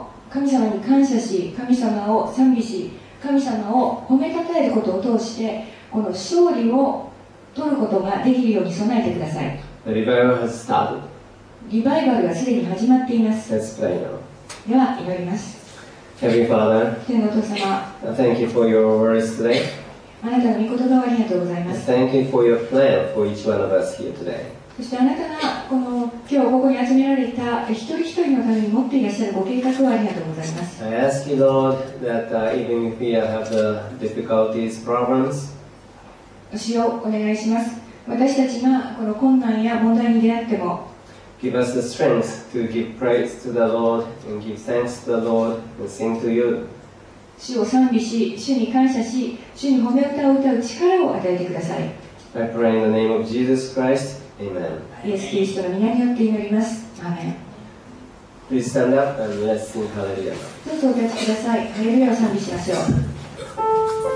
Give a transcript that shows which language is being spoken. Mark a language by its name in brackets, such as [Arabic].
[Japanese] 神様に感謝し、神様を賛美し、神様を褒めたたえることを通して、この勝利を取ることができるように備えてください。 [English] The revival has started. [Japanese] リバイバルがすでに始まっています。 [English] Let's pray now. [Japanese] では祈ります。 [English] Heavenly Father, [Japanese] 天のお父様、 [English] Thank you for your words today. [Japanese] あなたの御言葉をありがとうございます。 [English] Thank you for your plan for each one of us here today. [Japanese] そしてあなたがこの今日ここに集められた一人一人のために持っていらっしゃるご計画をありがとうございます。 [English] I ask you, Lord, that even if we have the difficulties, problems, [Japanese] 主よ、お願いします。私たちがこの困難や問題に出会っても、 [English] Give us the strength to give praise to the Lord and give thanks to the Lord and sing to you. [Japanese] 主を賛美し、主に感謝し、主に褒め歌を歌う力を与えてください。 [English] I pray in the name of Jesus Christ. Amen. [Japanese] イエス・キリストの名によって祈ります。アーメン。 [English] Please stand up and let's sing Hallelujah. [Japanese] どうぞお立ちください。ハレルヤを賛美しましょう。